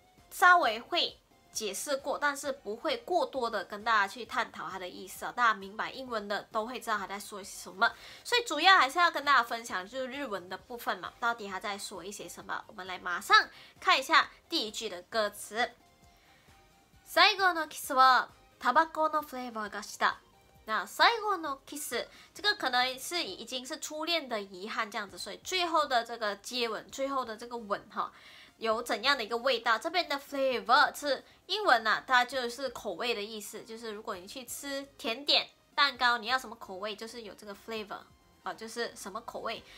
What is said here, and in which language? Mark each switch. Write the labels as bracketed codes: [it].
[zh] 稍微会解释过，但是不会过多的跟大家去探讨它的意思，大家明白英文的都会知道它在说什么，所以主要还是要跟大家分享就是日文的部分嘛，到底它在说一些什么。我们来马上看一下第一句的歌词。 [ja] 最後のキスはタバコのフレーバーがした。 [zh] 那 [ja] 最後のキス， [zh] 这个可能是已经是初恋的遗憾这样子，所以最后的这个接吻，最后的这个吻哈，有怎样的一个味道？这边的 flavor 是英文呐，它就是口味的意思，就是如果你去吃甜点、蛋糕，你要什么口味，就是有这个 flavor 啊，就是什么口味。